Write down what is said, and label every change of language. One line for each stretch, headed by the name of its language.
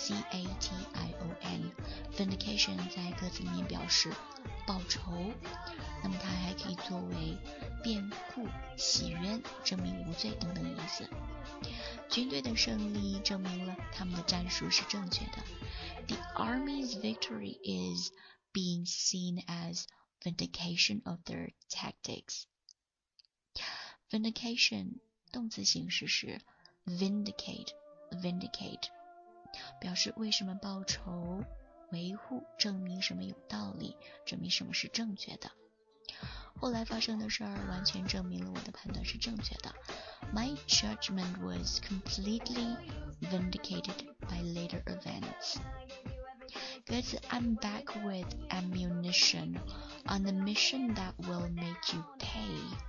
Chinese: V-I-N-D-I-C-A-T-I-O-N Vindication 在歌词里面表示报仇，那么它还可以作为辩护、洗冤、证明无罪等等意思。军队的胜利证明了他们的战术是正确的。
English: The army's victory is being seen as vindication of their tactics.
Chinese: Vindication 动词形式是Vindicate 表示为什么报仇，维护，证明什么有道理，证明什么是正确的。后来发生的事儿完全证明了我的判断是正确的。
English: My judgment was completely vindicated by later events.
Chinese: 歌词
English: I'm back with ammunition on a mission that will make you pay.